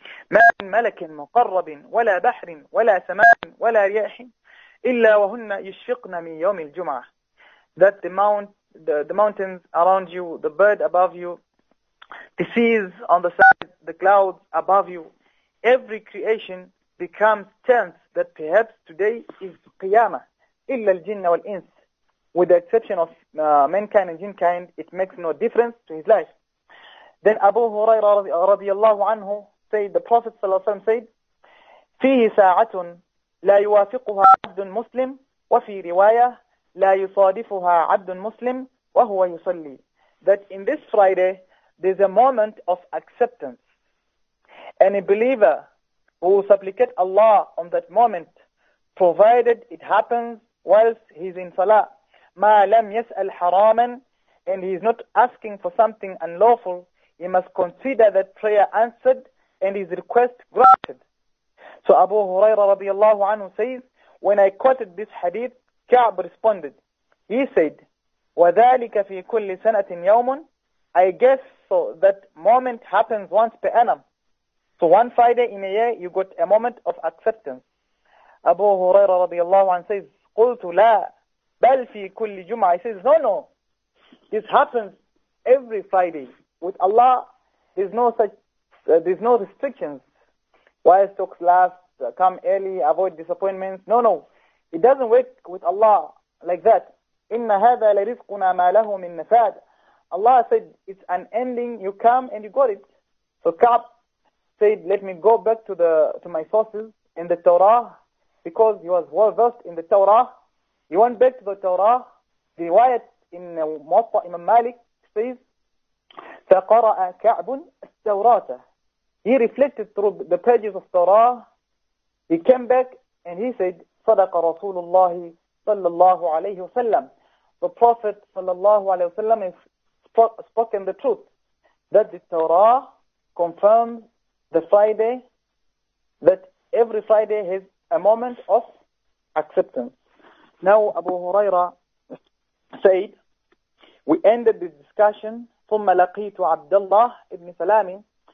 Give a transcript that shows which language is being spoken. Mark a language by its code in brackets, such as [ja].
[ar] مَا مِن مَلَكٍ مُقَرَّبٍ وَلَا بَحْرٍ وَلَا سَمَاءٍ وَلَا رِيَاحٍ إِلَّا وَهُنَّ يُشْفِقْنَ مِنْ يَوْمِ الْجُمْعَةِ [en] That the mountains around you, the bird above you, the seas on the side, the clouds above you, every creation becomes tense that perhaps today is qiyamah, [ar] illa al-jinn wal-ins. [en] With the exception of mankind and jinkind, it makes no difference to his life. Then Abu Huraira radiallahu anhu said, the Prophet sallallahu alayhi wa sallam said, [ar] فِيهِ سَاعَةٌ لَا يُوَافِقُهَا عَبْدٌ مُسْلِمٌ وَفِي رِوَايَةٌ لَا يُصَادِفُهَا عَبْدٌ مُسْلِمٌ وَهُوَ يُصَلِّي. [en] That in this Friday, there's a moment of acceptance. And a believer who will supplicate Allah on that moment, provided it happens whilst he's in Salah, [ar] مَا لَمْ يَسْأَلْ حَرَامًا, [en] and he's not asking for something unlawful, he must consider that prayer answered and his request granted. So Abu Huraira radiallahu anhu says, when I quoted this hadith, Ka'b responded. He said, [ar] وَذَٰلِكَ فِي كُلِّ سَنَةٍ يَوْمٌ. [en] I guess so that moment happens once per annum. So one Friday in a year, you got a moment of acceptance. Abu Huraira radiallahu anhu says, [ar] قُلْتُ لَا بَلْ فِي كُلِّ جُمْعَةٍ. [en] He says, no. This happens every Friday. With Allah, there's no such, there's no restrictions. Why stocks last, come early, avoid disappointments. No. It doesn't work with Allah like that. [ar] إِنَّ هَذَا لَرِزْقُنَا مَا لَهُ مِنْ نَفَادٍ. [en] Allah said, it's an ending, you come and you got it. So Ka'b said, let me go back to my sources in the Torah, because he was well versed in the Torah. He went back to the Torah. The riwayat in Muwatta Imam Malik says, [ar] فَقَرَأَ كَعْبٌ التَّوْرَاةَ. [en] He reflected through the pages of Torah. He came back and he said, [ar] صَدَقَ رَسُولُ اللَّهِ صَلَّى اللَّهُ عَلَيْهِ وَسَلَّمُ. [en] The Prophet صَلَّى اللَّهُ عَلَيْهِ وَسَلَّمُ has spoken the truth, that the Torah confirms the Friday, that every Friday has a moment of acceptance. Now Abu Huraira said, we ended the discussion, [ar] ثم لقيت عبد الله ابن سلام.